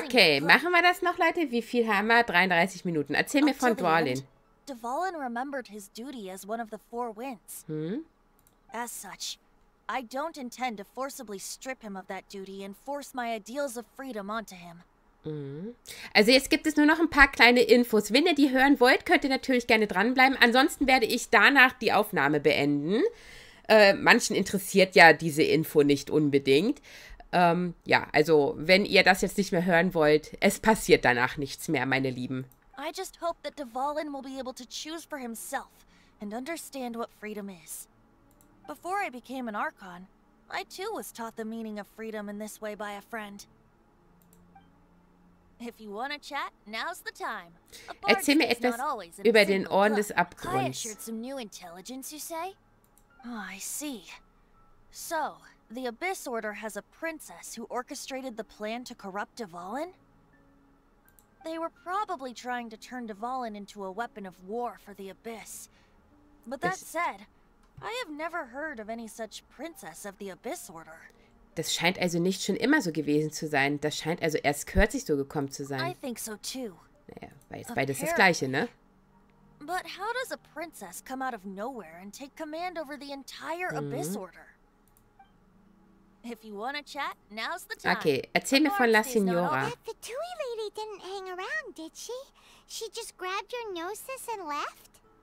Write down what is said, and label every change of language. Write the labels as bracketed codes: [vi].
[de] Okay, machen wir das noch, Leute? Wie viel haben wir? 33 Minuten. Erzähl mir von Dwalin. [en] Dwalin remembered his duty as one of the 4 winds. Hm? As such, I don't intend to forcibly strip him of that duty and force my ideals of freedom onto him. Mhm. [de] Also jetzt gibt es nur noch ein paar kleine Infos. Wenn ihr die hören wollt, könnt ihr natürlich gerne dranbleiben. Ansonsten werde ich danach die Aufnahme beenden. Manchen interessiert ja diese Info nicht unbedingt. Ja, also, wenn ihr das jetzt nicht mehr hören wollt, es passiert danach nichts mehr, meine Lieben. [en] I just hope that Dwalin will be able to choose for himself and understand what freedom is. Before I became an Archon, I too was taught the meaning of freedom in this way by a friend. If you want to chat, now's the time. [de] Erzähl mir etwas über den Orden des Abgrunds. [en] Kaya shared some new intelligence, you say? Oh, I see. So... The Abyss Order has a princess who orchestrated the plan to corrupt Dwalin? They were probably trying to turn Dwalin into a weapon of war for the Abyss. But that said, I have never heard of any such princess of the Abyss Order. [de] Das scheint also nicht schon immer so gewesen zu sein. Das scheint also erst kürzlich so gekommen zu sein. [en] I think so too. [de] Naja, beides das Gleiche, ne? [en] But how does a princess come out of nowhere and take command over the entire Abyss Order? If you want to chat, now's the time. [de] Okay, erzähl mir von La Signora. [en] The Tui lady didn't hang around, did she? She just grabbed your gnosis and left?